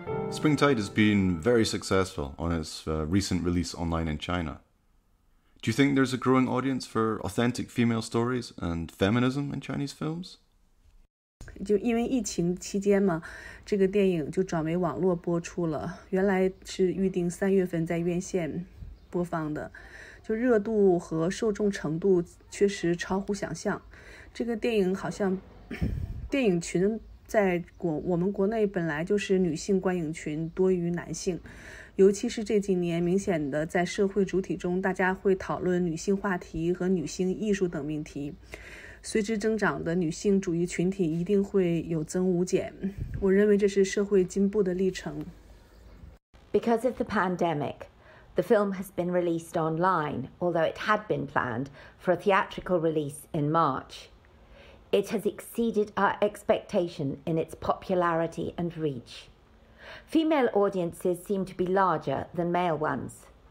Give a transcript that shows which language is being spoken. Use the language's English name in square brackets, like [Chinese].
[English] Spring Tide has been very successful on its recent release online in China. Do you think there's a growing audience for authentic female stories and feminism in Chinese films? [Chinese] 就因为疫情期间嘛，这个电影就转为网络播出了。原来是预定三月份在院线播放的，就热度和受众程度确实超乎想象。这个电影好像电影群。在我们国内本来就是女性观影群多于男性，尤其是这几年明显的在社会主体中，大家会讨论女性话题和女性艺术等命题，随之增长的女性主义群体一定会有增无减。我认为这是社会进步的历程。 [English] Because of the pandemic, the film has been released online, although it had been planned for a theatrical release in March. It has exceeded our expectation in its popularity and reach. Female audiences seem to be larger than male ones.